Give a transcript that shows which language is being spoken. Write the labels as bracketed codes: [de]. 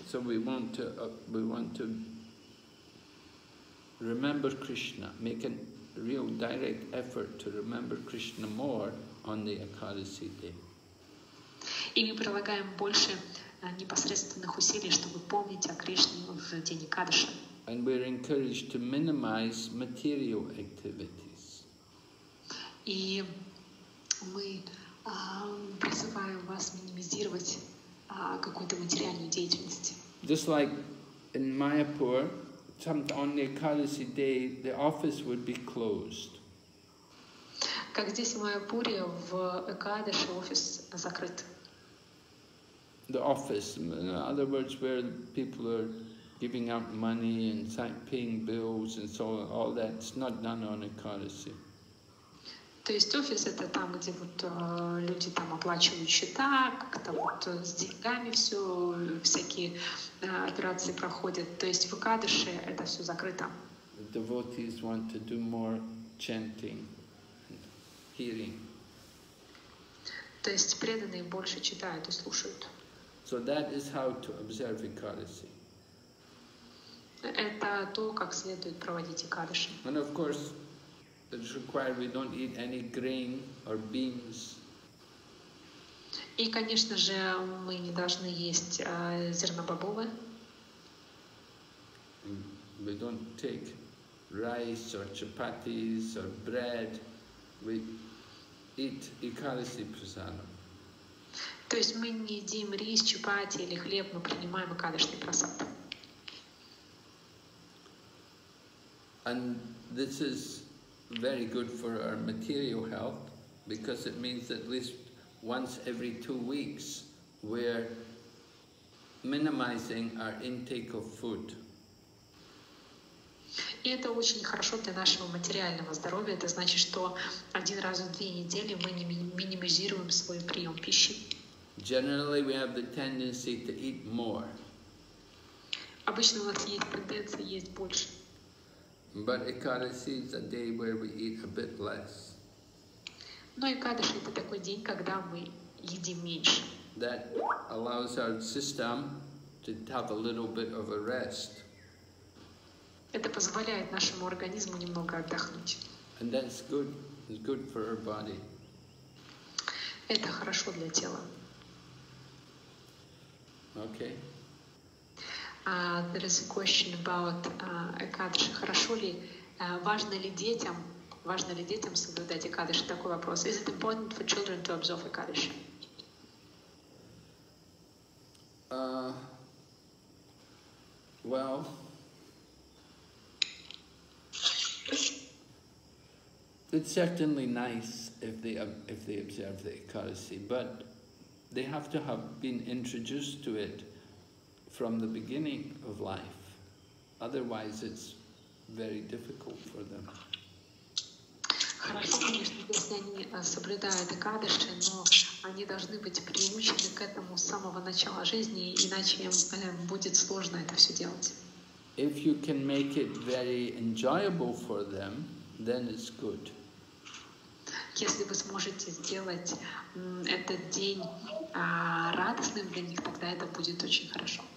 [en] So we want to remember Krishna, make a real direct effort to remember Krishna more on the Ekadasi day. [ru] И мы прилагаем больше непосредственных усилий, чтобы помнить о Кришне в день Экадаши. [en] And we are encouraged to minimize material activities. [ru] И мы призываем вас минимизировать какую-то материальную деятельность. [en] Just like in Mayapur, on the Ekadasi day, the office would be closed. [ru] Как здесь, в Майяпуре, в Экадаши офис закрыт. [en] The office, in other words, where people are giving out money and paying bills and so on, all that's not done on Ekadasi. [ru] То есть офис это там, где вот люди там оплачивают счета, как-то вот с деньгами все всякие операции проходят. То есть в Экадаши это все закрыто. [en] Devotees want to do more chanting, and hearing. [ru] То есть преданные больше читают и слушают. [en] So that is how to observe Ekadasi. [ru] Это то, как следует проводить Экадаши. [en] And of course, it is required we don't eat any grain or beans. [ru] И, конечно же, мы не должны есть зернобобовые. [en] We don't take rice or chapatis or bread. We eat Ekadasi prasadam. [ru] То есть мы не едим рис, чапати или хлеб, мы принимаем Экадашный прасад. [en] And this is very good for our material health, because it means at least once every 2 weeks we're minimizing our intake of food. [ru] И это очень хорошо для нашего материального здоровья. Это значит, что один раз в две недели мы не минимизируем свой прием пищи. [en] Generally, we have the tendency to eat more. [ru] Обычно у нас есть тенденция есть больше. [en] But Ekadashi is a day where we eat a bit less. [ru] Но Экадаши это такой день, когда мы едим меньше. [en] That allows our system to have a little bit of a rest. [ru] Это позволяет нашему организму немного отдохнуть. [en] And that's good. It's good for our body. [ru] Это хорошо для тела. [en] Okay. There is a question about Экадаши. [ru] Хорошо ли, важно ли детям соблюдать Экадаши? Такой вопрос. [en] Is it important for children to observe Экадаши? Well, it's certainly nice if they observe the Ekadasi, but they have to have been introduced to it from the beginning of life. Otherwise, it's very difficult for them. [ru] Хорошо, конечно, если они соблюдают Экадаши, но они должны быть приучены к этому с самого начала жизни, иначе им будет сложно это все делать. [en] If you can make it very enjoyable for them, then it's good. [ru] Если вы сможете сделать этот день радостным для них, тогда это будет очень хорошо.